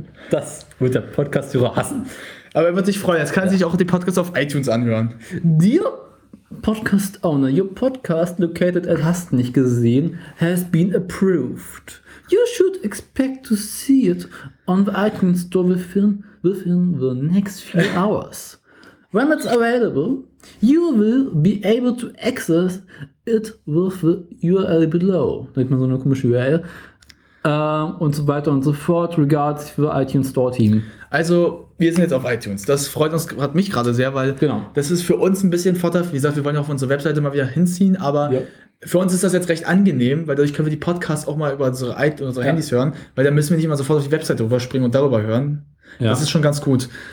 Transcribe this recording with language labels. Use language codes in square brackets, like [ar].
[de] Das wird der Podcast-Hörer hassen. Aber er wird sich freuen. Jetzt kann er sich auch den Podcast auf iTunes anhören. [en] Dear Podcast-Owner, your podcast located at [de] hast nicht gesehen [en] has been approved. You should expect to see it on the iTunes Store within the next few hours. When it's available, you will be able to access it with the URL below. [de] Da gibt man so eine komische URL. Und so weiter und so fort, [en] regards [de] für iTunes Store Team. Also, wir sind jetzt auf iTunes. Das freut uns, hat mich gerade sehr, weil das ist für uns ein bisschen vorteilhaft. Wie gesagt, wir wollen ja auf unsere Webseite mal wieder hinziehen, aber für uns ist das jetzt recht angenehm, weil dadurch können wir die Podcasts auch mal über unsere Handys hören, weil dann müssen wir nicht immer sofort auf die Webseite rüberspringen und darüber hören. Ja. Das ist schon ganz gut.